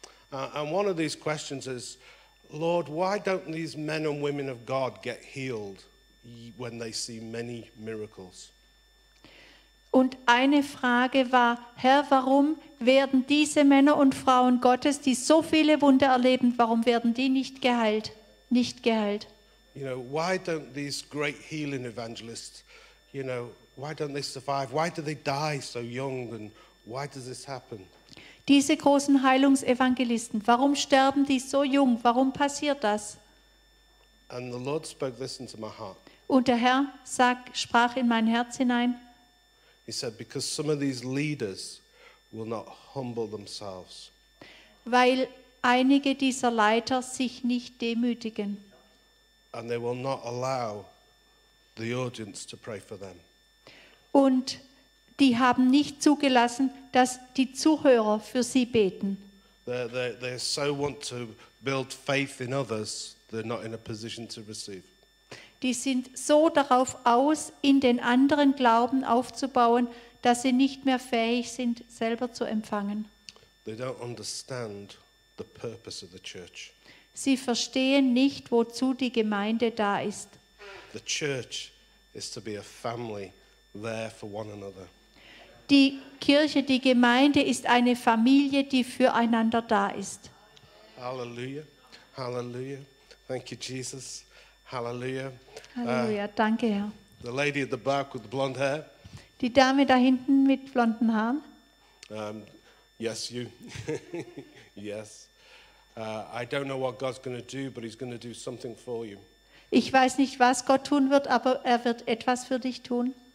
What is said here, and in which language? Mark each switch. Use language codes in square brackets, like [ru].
[en] And one of these questions is, Lord, why don't these men and women of God get healed when they see many miracles? [de] Und eine Frage war, Herr, warum werden diese Männer und Frauen Gottes, die so viele Wunder erleben, warum werden die nicht geheilt? Nicht geheilt. [en] You know, why don't these great healing evangelists, you know, why don't they survive? Why do they die so young and why does this happen? [de] Diese großen Heilungsevangelisten, warum sterben die so jung? Warum passiert das? [en] And the Lord spoke this into my heart. [de] Und der Herr sprach in mein Herz hinein. [en] He said, because some of these leaders will not humble themselves. [de] Weil einige dieser Leiter sich nicht demütigen. [en] And they will not allow the audience to pray for them. [de] Und die haben nicht zugelassen, dass die Zuhörer für sie beten. [en] They so want to build faith in others, they're not in a position to receive. [de] Die sind so darauf aus, in den anderen Glauben aufzubauen, dass sie nicht mehr fähig sind, selber zu empfangen. [en] They don't understand the purpose of the church. [de] Sie verstehen nicht, wozu die Gemeinde da ist. [en] The church is to be a family there for one another. [de] Die Kirche, die Gemeinde ist eine Familie, die füreinander da ist. [en] Halleluja. Halleluja. Thank you, Jesus. Hallelujah. [de] Hallelujah. Danke, Herr. [en] The lady at the back with the blonde hair. [de] Die Dame da hinten mit blonden Haaren. [en] Yes, you. Yes. I don't know what God's going to do, but he's going to do something for you. [de] Ich weiß nicht, was Gott tun wird, aber er wird etwas für dich tun.